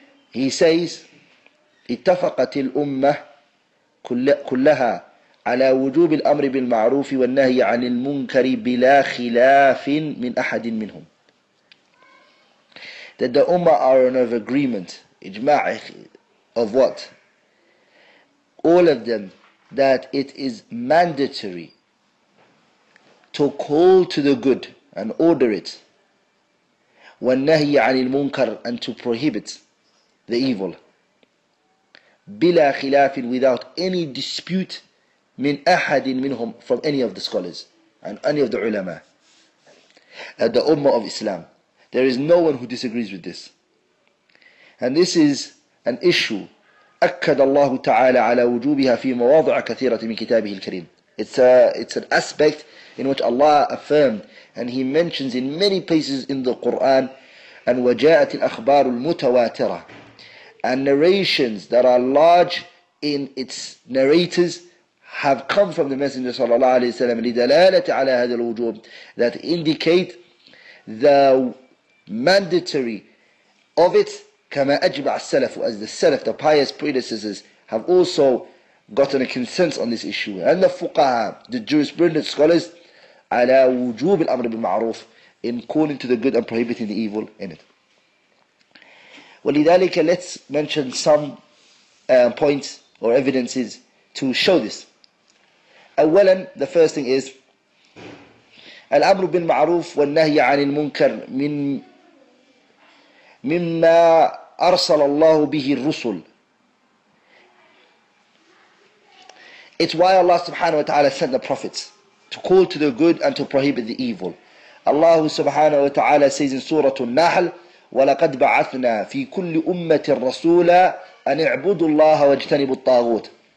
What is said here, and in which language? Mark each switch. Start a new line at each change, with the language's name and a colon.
English: He says,
Arabic: اتفقت الأمة كلها على وجوب الأمر بالمعروف والنهي عن المنكر بلا خلاف من أحد منهم.
English: That the Ummah are in of agreement, إجماع of what? All of them, that it is mandatory to call to the good and order it,
Arabic: والنهي عن المنكر
English: and to prohibit the evil,
Arabic: بلا خلاف,
English: without any dispute,
Arabic: من أحد منهم,
English: from any of the scholars and any of the ulama, at the Ummah of Islam. There is no one who disagrees with this. And this is an issue.
Arabic: أكد الله تعالى على وجوبها في مواضع كثيرة من كتابه الكريم.
English: It's an aspect in which Allah affirmed, and He mentions in many places in the Quran.
Arabic: أن وجاءت الأخبار المتواترة,
English: and narrations that are large in its narrators have come from the Messenger sallallahu alayhi wa sallam,
Arabic: لِدَلَالَةِ عَلَى هَذَا الْوُجُوبِ,
English: that indicate the mandatory of it,
Arabic: كَمَا أَجْبَعَ السَّلَفُ,
English: as the Salaf, the pious predecessors, have also gotten a consensus on this issue, and the fuqaha, the jurisprudent scholars,
Arabic: عَلَى وُجُوبِ الْأَمْرِ بِالْمَعْرُوفِ,
English: in calling to the good and prohibiting the evil in it.
Arabic: وَلِذَلِكَ,
English: let's mention some points or evidences to show this.
Arabic: أولا,
English: the first thing is
Arabic: الأمر بالمعروف والنهي عن المنكر مما أرسل الله به الرسل.
English: It's why Allah subhanahu wa ta'ala sent the prophets to call to the good and to prohibit the evil. Allah subhanahu wa ta'ala says in Surah An-Nahl,
Arabic: وَلَقَدْ بَعَثْنَا فِي كُلِّ أُمَّةٍ رَسُولًا أَنِ اعْبُدُوا اللَّهَ وَاجْتَنِبُوا الطَّاغُوتَ.